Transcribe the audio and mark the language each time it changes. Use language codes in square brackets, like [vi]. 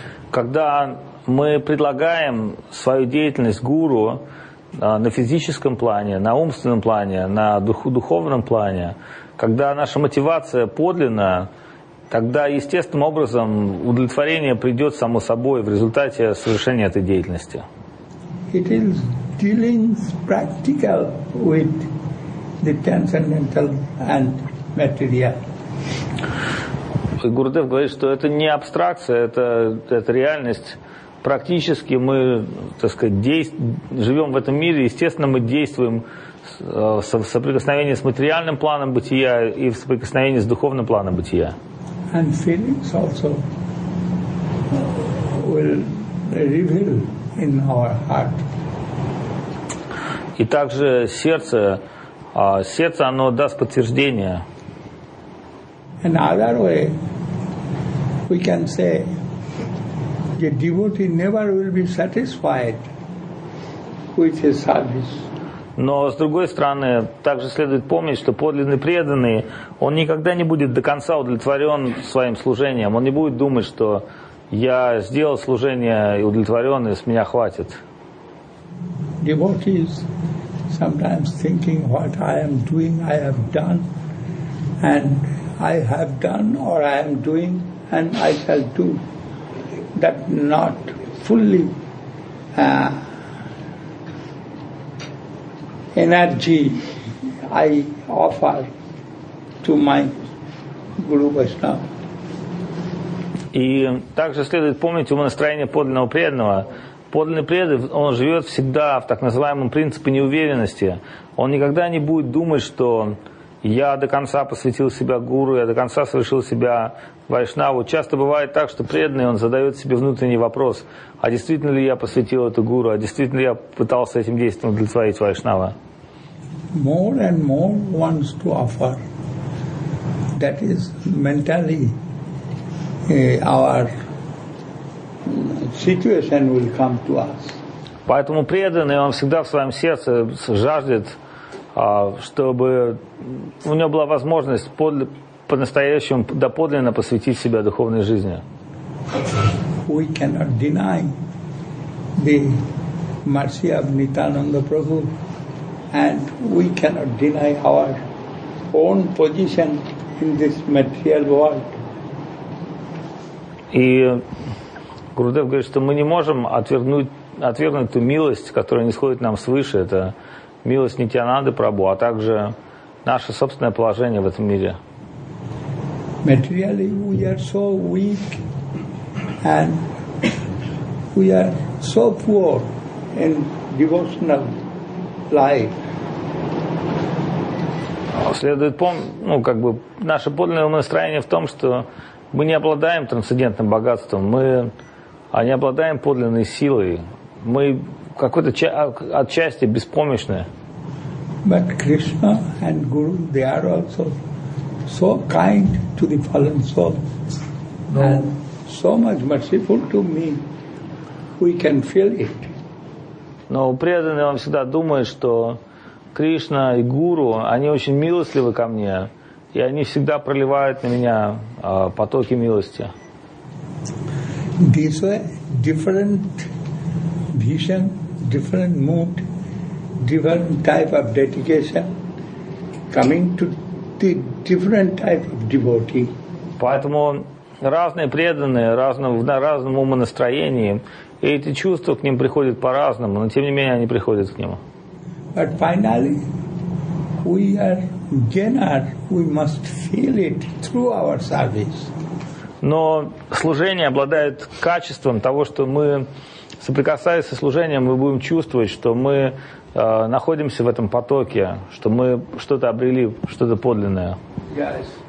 [ru] Когда мы предлагаем свою деятельность гуру на физическом плане, на умственном плане, на духовном плане, когда наша мотивация подлинная, тогда естественным образом удовлетворение придет само собой в результате совершения этой деятельности. [en] It is dealing practical with the transcendental and material. [ru] И Гурудев говорит, что это не абстракция, это реальность. Практически мы, так сказать, живем в этом мире, естественно, мы действуем в соприкосновении с материальным планом бытия и в соприкосновении с духовным планом бытия. [en] And feelings also will reveal in our heart. [ru] И также сердце, оно даст подтверждение. [en] In other way, we can say the devotee never will be satisfied with his service. [ru] Но с другой стороны, также следует помнить, что подлинный преданный, он никогда не будет до конца удовлетворен своим служением. Он не будет думать, что я сделал служение и удовлетворен, и с меня хватит. [en] Devotees sometimes thinking what I am doing, I have done, and I have done or I am doing. And I shall do that not fully energy I offer to my Guru Vaishnava. [ru] И также следует помнить умонастроение подлинного преданного. Подлинный преданный, он живет всегда в так называемом принципе неуверенности. Он никогда не будет думать, что я до конца посвятил себя Гуру, я до конца совершил себя Вайшнаву. Часто бывает так, что преданный, он задает себе внутренний вопрос, а действительно ли я посвятил эту Гуру, а действительно ли я пытался этим действием удовлетворить Вайшнава. [en] More and more wants to offer. That is mentally our situation will come to us. [ru] Поэтому преданный, он всегда в своем сердце жаждет, чтобы у него была возможность по-настоящему, доподлинно посвятить себя духовной жизни. [en] We cannot deny the mercy of Nityananda Prabhu, and we cannot deny our own position in this material world. [ru] И Гурудев говорит, что мы не можем отвергнуть ту милость, которая нисходит нам свыше, это милость Нитянанды Прабху, а также наше собственное положение в этом мире. [en] Materially we are so weak and we are so poor in devotional life. [ru] Следует помнить, ну, как бы, наше подлинное настроение в том, что мы не обладаем трансцендентным богатством, мы не обладаем подлинной силой, мы какой-то отчасти беспомощны. [en] But Krishna and Guru, they are also so kind to the fallen soul and so much merciful to me, we can feel it. [ru] Но преданный он всегда думает, что Кришна и Гуру, они очень милостливы ко мне, и они всегда проливают на меня потоки милости. [en] This way, different vision, different mood, different type of dedication, coming to the different type of devotee. [ru] Поэтому разные преданные, разном умонастроении, и эти чувства к ним приходят по-разному, но тем не менее они приходят к нему. [en] But finally, we are gainer, we must feel it through our service. [ru] Но служение обладает качеством того, что мы, соприкасаясь со служением, мы будем чувствовать, что мы находимся в этом потоке, что мы что-то обрели, что-то подлинное. [en] Yes.